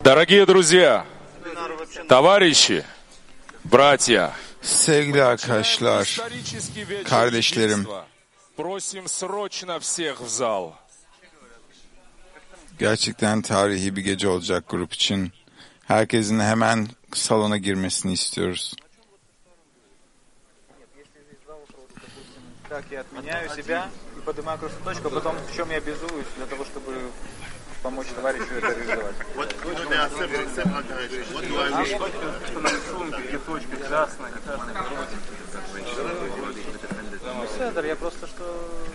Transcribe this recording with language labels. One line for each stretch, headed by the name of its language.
Russian: Дорогие друзья, товарищи, братья,
Turkish: sevgili arkadaşlar, kardeşlerim,
Russian: просим срочно всех в зал.
Turkish: Gerçekten tarihi bir gece olacak grup için. Herkesin hemen salona girmesini istiyoruz.
Russian: Так, я отменяю себя и поднимаю крышечку, а потом в чем я обязуюсь для того, чтобы помочь товарищу это реализовать. Я просто что.